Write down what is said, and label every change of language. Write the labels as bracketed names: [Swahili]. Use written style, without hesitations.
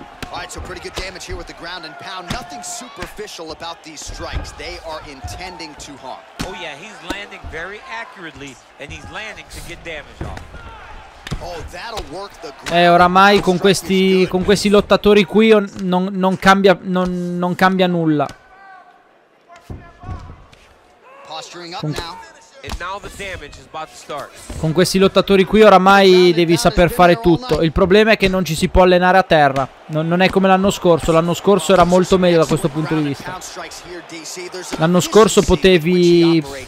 [English] Alright, so pretty good damage here with the ground and pound. Nothing superficial about these strikes. They are intending to harm. Oh yeah, he's landing very accurately and he's landing to get damage off. Oh, that'll work the ground. [Italian] Oramai con questi lottatori qui non cambia nulla. [English] Posturing up now. And now the damage is about to start. [Italian] Con questi lottatori qui oramai devi saper fare tutto. Il problema è che non ci si può allenare a terra. Non è come l'anno scorso. L'anno scorso era molto meglio da questo punto di vista. L'anno scorso potevi...